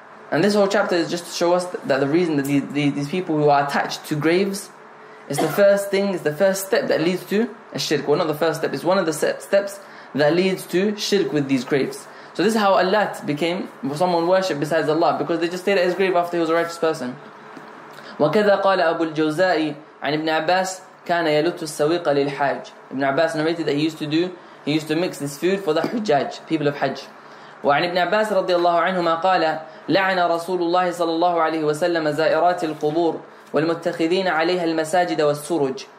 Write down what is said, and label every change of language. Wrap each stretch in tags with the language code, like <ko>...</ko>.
<en>And this whole chapter is just to show us that the reason that these people who are attached to graves is the first thing, is the first step that leads to a shirk. Well, not the first step, it's one of the steps that leads to shirk with these graves. So this is how Allat became someone worshipped besides Allah, because they just stayed at his grave after he was a righteous person.</en> <ar>وَكَذَا قَالَ أَبُو الْجَوْزَاءِ عَنْ إِبْنِ عَبَاسِ كان يلت السويق للحاج.</ar> <en>Ibn Abbas narrated that he used to mix this food for the hujjaj, people of Hajj.</en> <ar>وعن ابن عباس رضي الله عنهما قال لعن رسول الله صلى الله عليه وسلم زائرات القبور والمتخذين عليها المساجد والسرج.</ar>